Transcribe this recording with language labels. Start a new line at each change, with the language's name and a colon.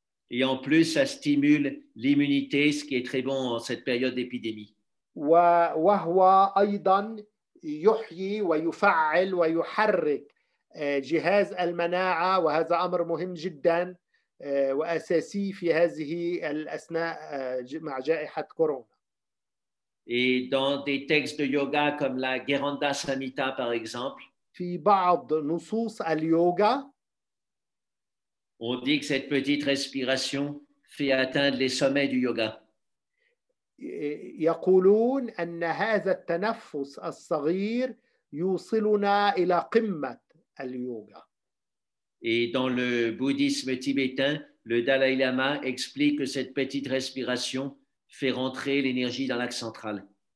French: Et en plus, ça stimule l'immunité, ce qui est très bon en cette période d'épidémie.
Arabic: وهو أيضا يحيي ويفعل ويحرك جهاز المناعة وهذا أمر مهم جدا وأساسي في هذه الأثناء مع جائحة كورونا.
French: Et dans des textes de yoga comme la Gheranda Samhita par exemple.
Arabic: في بعض نصوص اليوغا.
French: On dit que cette petite respiration fait atteindre les sommets du yoga.
Arabic: يقولون أن هذا التنفس الصغير يوصلنا إلى قمة.
French: Et dans le bouddhisme tibétain, le Dalai Lama explique que cette petite respiration fait rentrer l'énergie dans l'axe central.